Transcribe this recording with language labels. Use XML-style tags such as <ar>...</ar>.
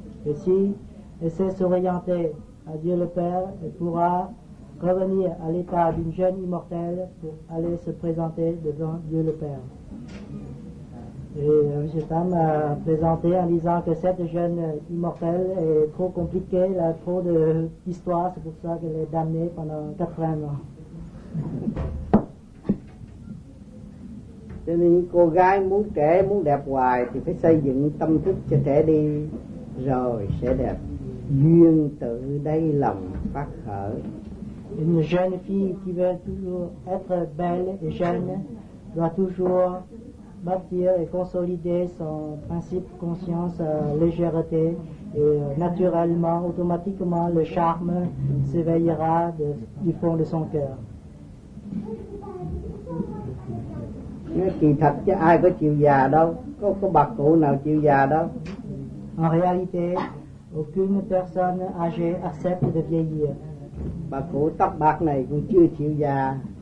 <fr>Et si elle sait s'orienter à Dieu le Père, elle pourra revenir à l'état d'une jeune immortelle pour aller se présenter devant Dieu le Père. Et M. Tam a plaisanté en disant que cette jeune immortelle est trop compliquée, elle a trop d'histoires, c'est pour ça qu'elle est damnée pendant 80 ans.</fr> <vi>Cho nên cô gái muốn trẻ, muốn đẹp hoài thì phải xây dựng tâm thức cho trẻ đi, rồi sẽ đẹp. Duyên tự đây lòng phát khởi.</vi> <fr>Une jeune fille qui veut toujours être belle et jeune doit toujours bâtir et consolider son principe conscience, légèreté, et naturellement, automatiquement, le charme s'éveillera du fond de son cœur.</fr> <vi>Kỳ thật chứ ai có chịu già đâu, có bà cụ nào chịu già đâu.</vi> <fr>En réalité, aucune personne âgée accepte de vieillir.</fr> <vi>Bà cụ tóc bạc này cũng chưa chịu già.</vi>